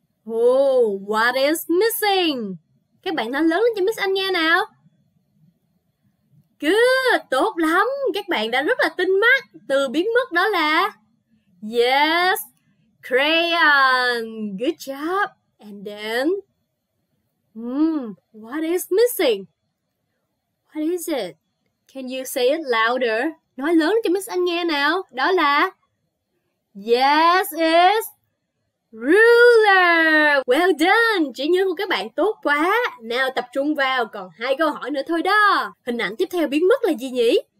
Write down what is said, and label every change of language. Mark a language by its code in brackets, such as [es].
[en] Oh, what is missing? [vi] Các bạn nói lớn lên cho Miss Anh nghe nào. [en] Good, [vi] tốt lắm. Các bạn đã rất là tinh mắt. Từ biến mất đó là [en] yes, crayon. Good job. And then what is missing? What is it? Can you say it louder? [vi] Nói lớn cho Miss Anh nghe nào. Đó là [en] yes, it's ruler. Well done, [vi] trí nhớ của các bạn tốt quá. Nào tập trung vào, còn hai câu hỏi nữa thôi đó. Hình ảnh tiếp theo biến mất là gì nhỉ?